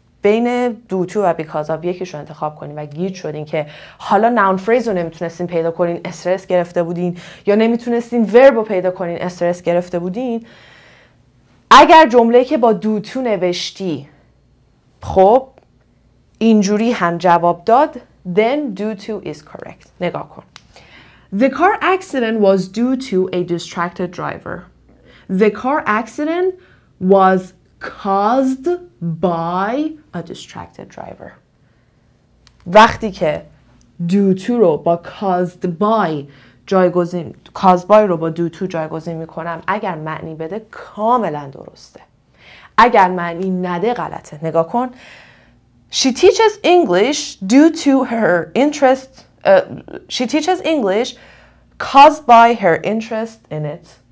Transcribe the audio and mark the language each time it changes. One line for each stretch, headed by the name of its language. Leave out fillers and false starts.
Persian: بین دو تو و بیکاز آف یکیش رو انتخاب کنین و گیج شدین که حالا نون فریز رو نمیتونستین پیدا کنین، استرس گرفته بودین، یا نمیتونستین ورب رو پیدا کنین، استرس گرفته بودین، اگر جمله که با دو تو نوشتی خب اینجوری هم جواب داد،
English: then due to is correct.
Persian: نگاه کن.
English: The car accident was due to a distracted driver. The car accident was caused by a distracted driver.
Persian: وقتی که due to رو با caused by جایگزین cause by رو با do to جایگزین میکنم، اگر معنی بده کاملا درسته، اگر معنی نده غلطه. نگاه کن،
English: she teaches English due to her interest she teaches English caused by her interest in it.